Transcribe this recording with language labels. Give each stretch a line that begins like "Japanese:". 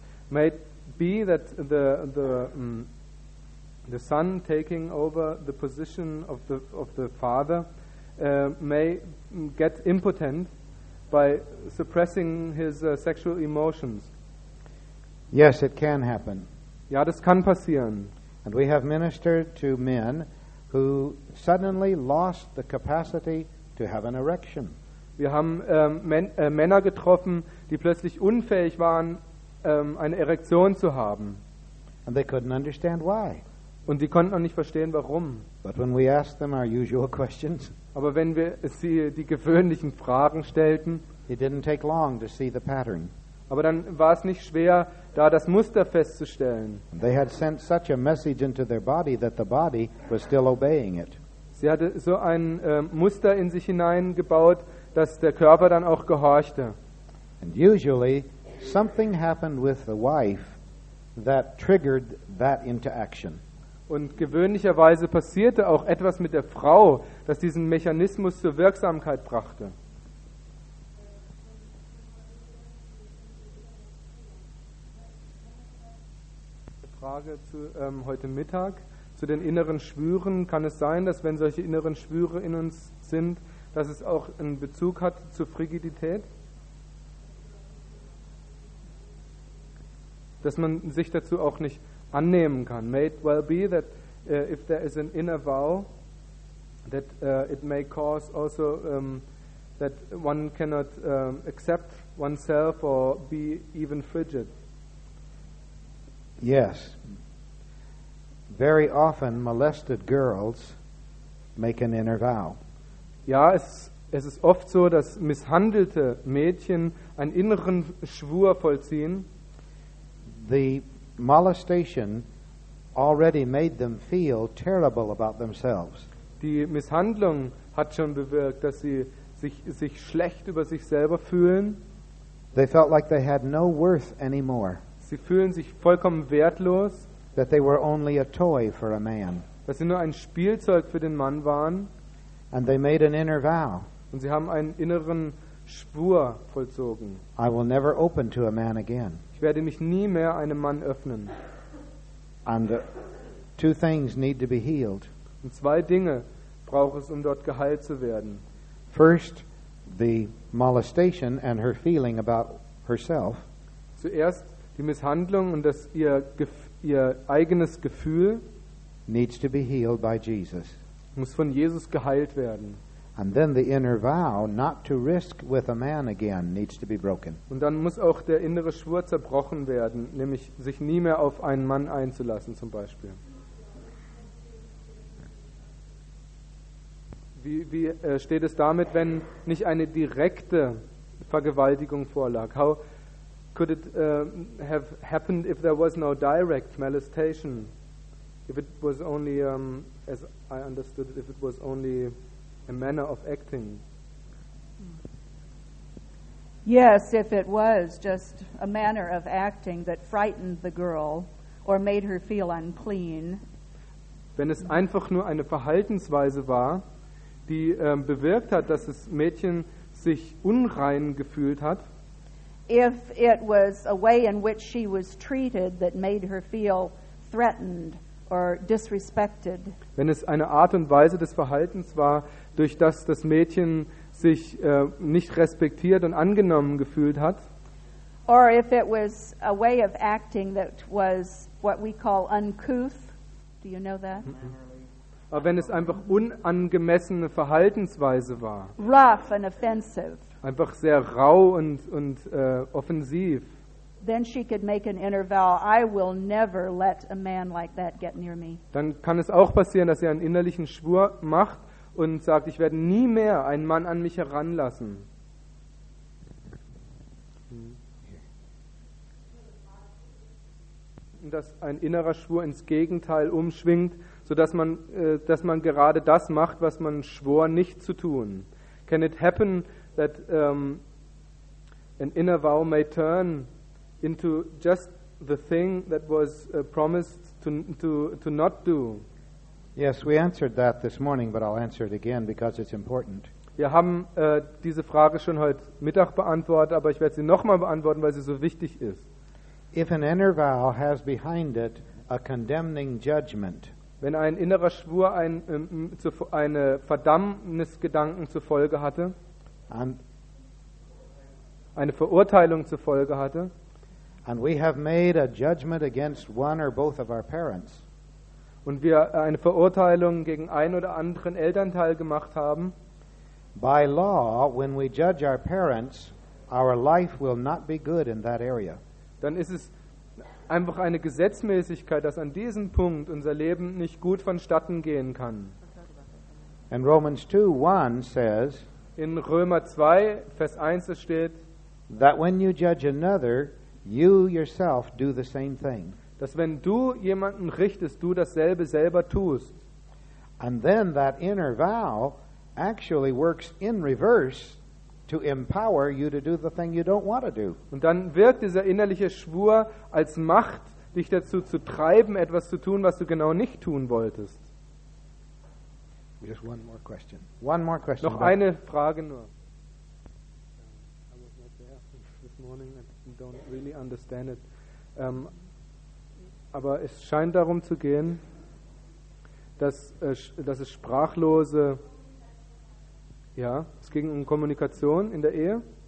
English: May it be that the son taking over the position of the father may get impotent by suppressing his sexual emotions. Yes, it can happen.
German: Ja, das kann passieren.
English: And we have ministered to men who suddenly lost the capacity to have an erection.
German: Wir haben Männer getroffen, die plötzlich unfähig waren, eine Erektion zu haben.
English: And they couldn't understand why.
German: Und die konnten auch nicht verstehen, warum.
English: But when we asked them our usual questions,
German: aber wenn wir sie die gewöhnlichen Fragen stellten,
English: it didn't take long to see the pattern.
German: Aber dann war es nicht schwer, da das Muster festzustellen.
English: They had sent such a message into their body that the body was still obeying it.
German: Sie hatte so ein Muster in sich hineingebaut, dass der Körper dann auch gehorchte.
English: And usually something happened with the wife that triggered that into action.
German: Und gewöhnlicherweise passierte auch etwas mit der Frau, das diesen Mechanismus zur Wirksamkeit brachte. Frage zu heute Mittag, zu den inneren Schwüren. Kann es sein, dass wenn solche inneren Schwüre in uns sind, dass es auch einen Bezug hat zur Frigidität? Dass man sich dazu auch nicht annehmen kann.
English: May it well be that if there is an inner vow, that it may cause also that one cannot accept oneself or be even frigid. Yes. Very often molested girls make an inner vow.
German: Ja, es ist oft so, dass misshandelte Mädchen einen inneren Schwur vollziehen.
English: The molestation already made them feel terrible about themselves.
German: Die Misshandlung hat schon bewirkt, dass sie sich schlecht über sich selber fühlen.
English: They felt like they had no worth anymore.
German: Sie fühlen sich vollkommen wertlos.
English: That they were only a toy for a man.
German: Dass sie nur ein Spielzeug für den Mann waren.
English: And they made an inner vow.
German: Und sie haben einen inneren Schwur vollzogen.
English: I will never open to a man again.
German: Ich werde mich nie mehr einem Mann öffnen.
English: And two things need to be healed.
German: Und zwei Dinge braucht es, um dort geheilt zu werden.
English: First, the molestation and her feeling about herself.
German: Zuerst Die Misshandlung und das ihr eigenes Gefühl
English: needs to be healed by Jesus.
German: Muss von Jesus geheilt werden.
English: And then the inner vow not to risk with a man again needs to be broken.
German: Und dann muss auch der innere Schwur zerbrochen werden, nämlich sich nie mehr auf einen Mann einzulassen, zum Beispiel. Wie steht es damit, wenn nicht eine direkte Vergewaltigung vorlag?
English: How could it have happened if there was no direct molestation? If it was only, as I understood it, if it was only a manner of acting. Yes, if it was just a manner of acting that frightened the girl or made her feel unclean.
German: Wenn es einfach nur eine Verhaltensweise war, die bewirkt hat, dass das Mädchen sich unrein gefühlt hat.
English: If it was a way in which she was treated that made her feel threatened or disrespected.
German: Wenn es eine Art und Weise des Verhaltens war, durch das das Mädchen sich nicht respektiert und angenommen gefühlt hat.
English: Or if it was a way of acting that was what we call uncouth. Do you know that?
German: Aber wenn es einfach unangemessene Verhaltensweise war.
English: Rough and offensive.
German: Einfach sehr rau und offensiv.
English: Then she could make an inner vow, I will never let a man like that get near me.
German: Dann kann es auch passieren, dass sie einen innerlichen Schwur macht und sagt, ich werde nie mehr einen Mann an mich heranlassen. Dass ein innerer Schwur ins Gegenteil umschwingt, sodass man, dass man gerade das macht, was man schwor, nicht zu tun.
English: Can it happen that an inner vow may turn into just the thing that was promised to not do? Yes, we answered that this morning, but I'll answer it again because it's important.
German: Wir haben diese Frage schon heute Mittag beantwortet, aber ich werde sie nochmal beantworten, weil sie so wichtig ist.
English: If an inner vow has behind it a condemning judgment.
German: Wenn ein innerer Schwur eine Verdammnisgedanken zur Folge hatte, eine Verurteilung zur Folge hatte,
English: and we have made a judgment against one or both of our parents.
German: Und wir eine Verurteilung gegen einen oder anderen Elternteil gemacht haben.
English: By law, when we judge our parents, our life will not be good in that area.
German: Dann ist es einfach eine Gesetzmäßigkeit, dass an diesem Punkt unser Leben nicht gut vonstatten gehen kann.
English: And Romans 2:1 says,
German: in Römer 2, Vers 1 steht,
English: that when you judge another, you yourself do the same thing.
German: Dass wenn du jemanden richtest, du dasselbe selber tust.
English: And then that inner vow actually works in reverse to empower you to do the thing you don't want to do.
German: Und dann wirkt dieser innerliche Schwur als Macht, dich dazu zu treiben, etwas zu tun, was du genau nicht tun wolltest.
English: Just one more question. One more question.
German: Noch eine Frage nur.
English: I was not there this morning and don't really understand it.
German: Aber es scheint darum zu gehen, dass es sprachlose, ja, es ging um Kommunikation in der Ehe.